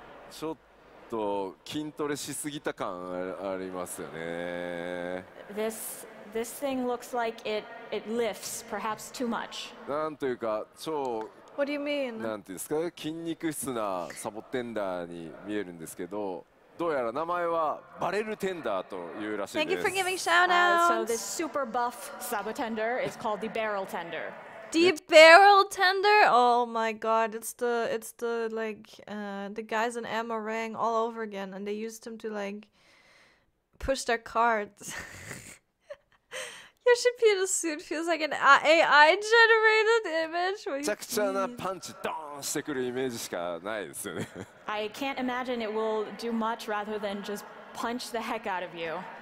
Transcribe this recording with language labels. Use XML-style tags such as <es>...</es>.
<ja>ちょっと筋トレしすぎた感ありますよね。</ja> <en>This thing looks like it lifts perhaps too much.</en> <ja>なんというか超</ja> <en>What do you mean?</en> <ja>なんていうんですか筋肉質なサボテンダーに見えるんですけど、どうやら名前はバレルテンダーというらしいです。</ja> <en>Thank you for giving shout out. So this super buff sabotender is called the barrel tender. The barrel tender? Oh my god, it's the like the guys in Amma Rang all over again, and they used him to like push their carts. Yoshipita's suit feels like an AI generated image.</en> <ja>めちゃくちゃなパンチドーンしてくるイメージしかないですよね。</ja> <en>I can't imagine it will do much rather than just punch the heck out of you.</en>